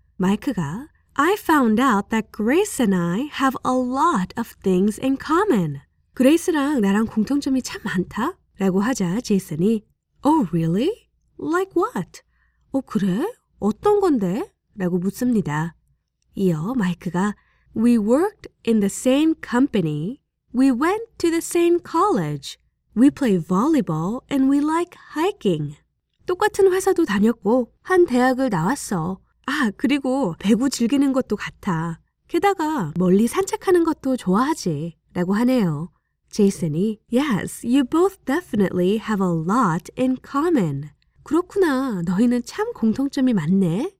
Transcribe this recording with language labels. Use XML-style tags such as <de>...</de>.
<ko>마이크가</ko> <en>I found out that Grace and I have a lot of things in common.</en> <ko>그레이스랑 나랑 공통점이 참 많다? 라고 하자 제이슨이</ko> <en>Oh, really? Like what?</en> <ko>어, 그래? 어떤 건데? 라고 묻습니다. 이어 마이크가</ko> <en>We worked in the same company. We went to the same college. We play volleyball and we like hiking.</en> <ko>똑같은 회사도 다녔고 한 대학을 나왔어. 아, 그리고 배구 즐기는 것도 같아. 게다가 멀리 산책하는 것도 좋아하지. 라고 하네요. 제이슨이</ko> <en>Yes, you both definitely have a lot in common.</en> <ko>그렇구나, 너희는 참 공통점이 많네.</ko>